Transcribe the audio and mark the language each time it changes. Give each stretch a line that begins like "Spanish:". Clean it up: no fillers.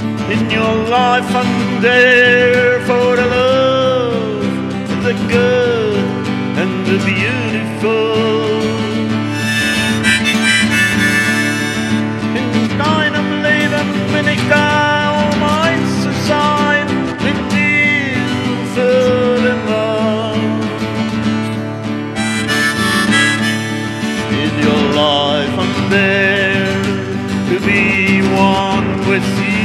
English: In your life I'm there for the love, the good and the beautiful.
German: In deinem Leben bin ich da, um eins zu sein, mit dir für den Mann.
English: In your life I'm there to be one with you.